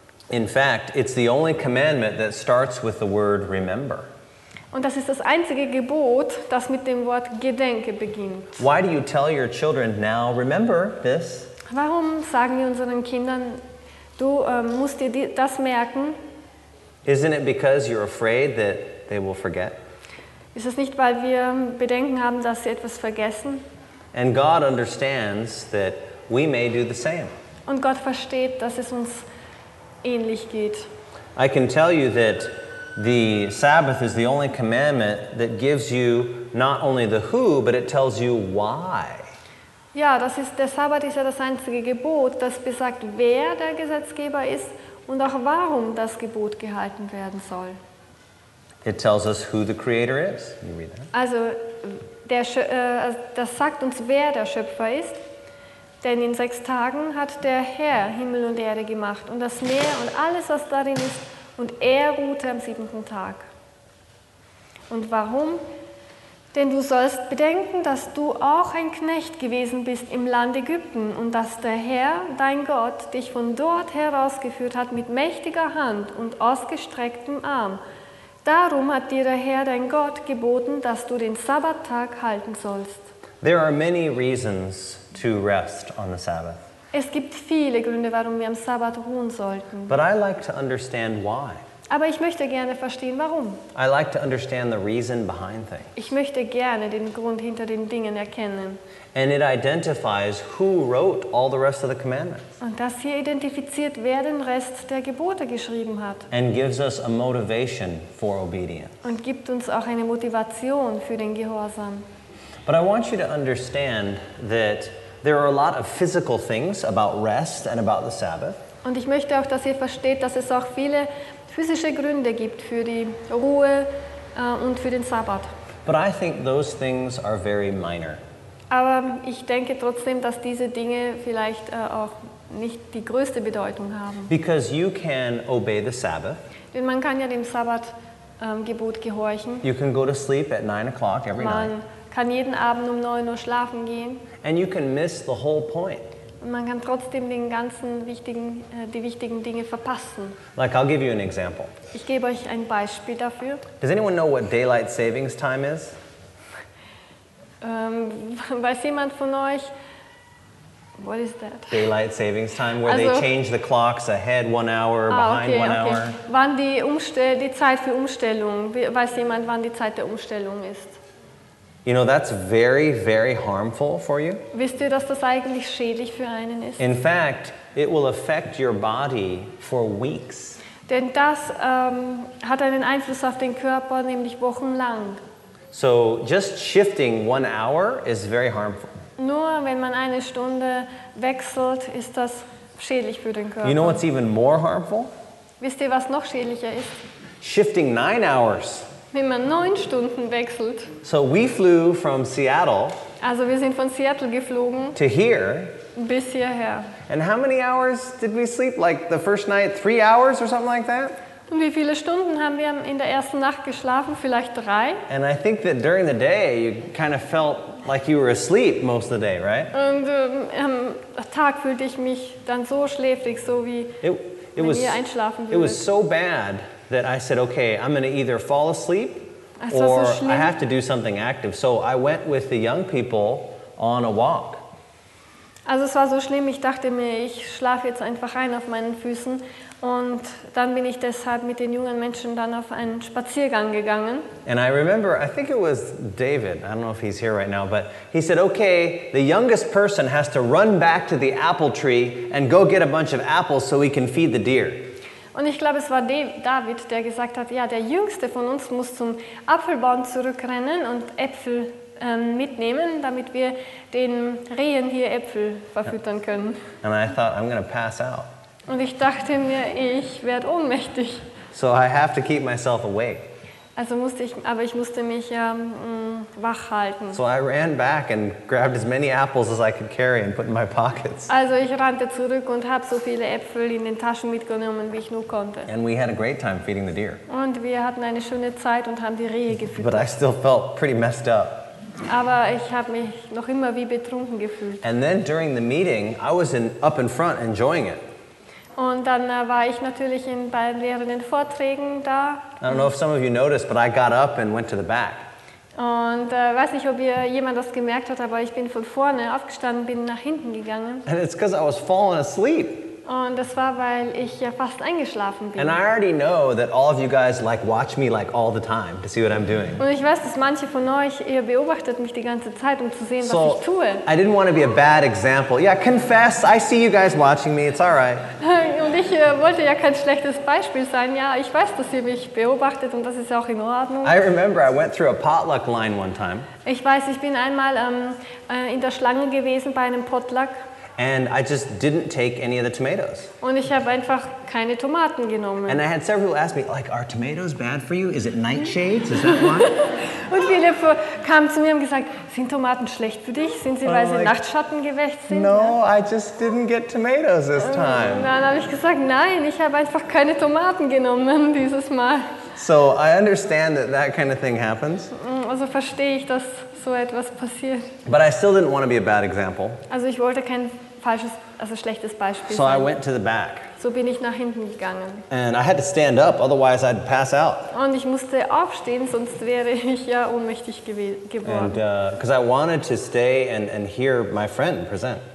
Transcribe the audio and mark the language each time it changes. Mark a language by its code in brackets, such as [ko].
[en] In fact, it's the only commandment that starts with the word remember. [de] Und das ist das einzige Gebot, das mit dem Wort Gedenke beginnt. [en] Why do you tell your children now remember this? [de] Warum sagen wir unseren Kindern, du musst dir das merken? [en] Isn't it because you're afraid that they will forget? [de] Ist es nicht, weil wir Bedenken haben, dass sie etwas vergessen? [en] And God understands that we may do the same. [de] Und Gott versteht, dass es uns ähnlich geht. [en] I can tell you that the Sabbath is the only commandment that gives you not only the who, but it tells you why. [de] Ja, das ist der Sabbat ist ja das einzige Gebot, das besagt, wer der Gesetzgeber ist und auch warum das Gebot gehalten werden soll. [en] It tells us who the Creator is. You read that. [de] Also das sagt uns, wer der Schöpfer ist. Denn in sechs Tagen hat der Herr Himmel und Erde gemacht und das Meer und alles, was darin ist, und er ruhte am siebten Tag. Und warum? Denn du sollst bedenken, dass du auch ein Knecht gewesen bist im Land Ägypten und dass der Herr, dein Gott, dich von dort herausgeführt hat mit mächtiger Hand und ausgestrecktem Arm. Darum hat dir der Herr, dein Gott, geboten, dass du den Sabbattag halten sollst. [en] There are many reasons to rest on the Sabbath. [de] Es gibt viele Gründe, warum wir am Sabbat ruhen sollten. [en] But I like to understand why. [de] Aber ich möchte gerne verstehen, warum. [en] I like to understand the reason behind things. [de] Ich möchte gerne den Grund hinter den Dingen erkennen. [en] And it identifies who wrote all the rest of the commandments. [de] Und das hier identifiziert, wer den Rest der Gebote geschrieben hat. [en] And gives us a motivation for obedience. [de] Und gibt uns auch eine Motivation für den Gehorsam. [en] But I want you to understand that there are a lot of physical things about rest and about the Sabbath. [de] Und ich möchte auch, dass ihr versteht, dass es auch viele physische Gründe gibt für die Ruhe und für den Sabbat. [en] But I think those things are very minor. [de] Aber ich denke trotzdem, dass diese Dinge vielleicht auch nicht die größte Bedeutung haben. [en] Because you can obey the Sabbath. [de] Denn man kann ja dem Sabbat Gebot gehorchen. [en] You can go to sleep at 9 o'clock every night. [de] kann jeden Abend um 9 Uhr schlafen gehen. [en] And you can miss the whole point. [de] Und man kann trotzdem den ganzen die wichtigen Dinge verpassen. [en] Like, I'll give you an example. [de] Ich gebe euch ein Beispiel dafür. [en] Does anyone know what daylight savings time is? [de] Weiß jemand von euch, [en] what is that? Daylight savings time, where also, they change the clocks ahead 1 hour, behind 1 hour. [de] Wann die Zeit für Umstellung, weiß jemand, wann die Zeit der Umstellung ist? [en] You know, that's very, very harmful for you. [de] Wisst ihr, dass das eigentlich schädlich für einen ist? [en] In fact, it will affect your body for weeks. [de] Denn das hat einen Einfluss auf den Körper, nämlich wochenlang. [en] So just shifting 1 hour is very harmful. [de] Nur wenn man eine Stunde wechselt, ist das schädlich für den Körper. [en] You know what's even more harmful? [de] Wisst ihr, was noch schädlicher ist? [en] Shifting 9 hours. [de] Wenn man 9 Stunden wechselt. [en] So we flew from Seattle. [de] Also wir sind von Seattle geflogen. [en] To here. [de] Bis hierher. [en] And how many hours did we sleep? Like the first night, 3 hours or something like that? [de] Und wie viele Stunden haben wir in der ersten Nacht geschlafen? Vielleicht 3? [en] And I think that during the day you kind of felt like you were asleep most of the day, right? [de] Und am Tag fühlte ich mich dann so schläfrig, so wie wenn ihr einschlafen würdet. [en] It was so bad that I said, okay, I'm going to either fall asleep or I have to do something active. So I went with the young people on a walk. [de] Also es war so schlimm, ich dachte mir, ich schlafe jetzt einfach ein auf meinen Füßen. Und dann bin ich deshalb mit den jungen Menschen dann auf einen Spaziergang gegangen. [en] And I remember, I think it was David, I don't know if he's here right now, but he said, okay, the youngest person has to run back to the apple tree and go get a bunch of apples so he can feed the deer. [de] Und ich glaube, es war David, der gesagt hat, ja, der Jüngste von uns muss zum Apfelbaum zurückrennen und Äpfel mitnehmen, damit wir den Rehen hier Äpfel verfüttern können. [en] And I thought, I'm gonna pass out. [de] Und ich dachte mir, ich werde ohnmächtig. [en] So I have to keep myself awake. [de] Also musste ich, aber ich musste mich wach halten. [en] So I ran back and grabbed as many apples as I could carry and put in my pockets. [de] Also ich rannte zurück und habe so viele Äpfel in den Taschen mitgenommen, wie ich nur konnte. [en] And we had a great time feeding the deer. [de] Und wir hatten eine schöne Zeit und haben die Rehe gefüttert. [en] But I still felt pretty messed up. [de] Aber ich habe mich noch immer wie betrunken gefühlt. [en] And then during the meeting, I was up in front enjoying it. [de] Und dann war ich natürlich in beiden lehrenden Vorträgen da. [en] I don't know if some of you noticed, but I got up and went to the back. [de] Und weiß nicht, ob ihr jemand das gemerkt hat, aber ich bin von vorne aufgestanden, bin nach hinten gegangen. [en] And it's because I was falling asleep. [de] Und das war, weil ich ja fast eingeschlafen bin. [en] And I already know that all of you guys like watch me like all the time to see what I'm doing. [de] Und ich weiß, dass manche von euch, ihr beobachtet mich die ganze Zeit, um zu sehen, was ich tue. [en] I didn't want to be a bad example. Yeah, confess, I see you guys watching me, it's all right. [de] Und ich wollte ja kein schlechtes Beispiel sein. Ja, ich weiß, dass ihr mich beobachtet und das ist auch in Ordnung. [en] I remember I went through a potluck line one time. [de] Ich weiß, ich bin einmal in der Schlange gewesen bei einem Potluck. [en] And I just didn't take any of the tomatoes. [de] Und ich habe einfach keine Tomaten genommen. [en] And I had several ask me, like, are tomatoes bad for you? Is it nightshades? Is that why? [de] Und viele kamen zu mir und gesagt, sind Tomaten schlecht für dich? Sind sie, weil sie Nachtschatten gewächst sind? [en] No, I just didn't get tomatoes this time. [de] Und dann habe ich gesagt, nein, ich habe einfach keine Tomaten genommen dieses Mal. [en] So I understand that that kind of thing happens. [de] Also verstehe ich, dass so etwas passiert. [en] But I still didn't want to be a bad example. [de] Also ich wollte kein falsches, also schlechtes Beispiel sein. [en] So I went to the back. [de] So bin ich nach hinten gegangen. [en] And I had to stand up, otherwise I'd pass out. [de] Und ich musste aufstehen, sonst wäre ich ja ohnmächtig geworden. [en] And because I wanted to stay and hear my friend present.